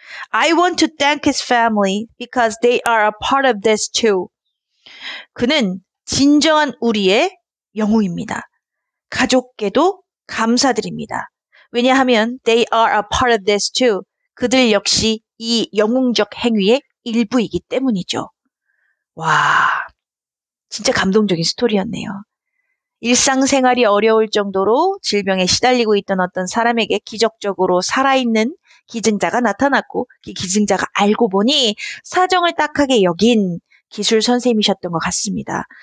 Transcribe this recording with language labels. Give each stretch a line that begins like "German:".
English: I want to thank his family because they are a part of this too.
Korean: 그는 진정한 우리의 영웅입니다. 가족께도 감사드립니다. 왜냐하면
English: they are a part of this too.
Korean: 그들 역시 이 영웅적 행위의 일부이기 때문이죠. 와, 진짜 감동적인 스토리였네요. 일상생활이 어려울 정도로 질병에 시달리고 있던 어떤 사람에게 기적적으로 살아있는 기증자가 나타났고 그 기증자가 알고 보니 사정을 딱하게 여긴 기술 선생님이셨던 것 같습니다.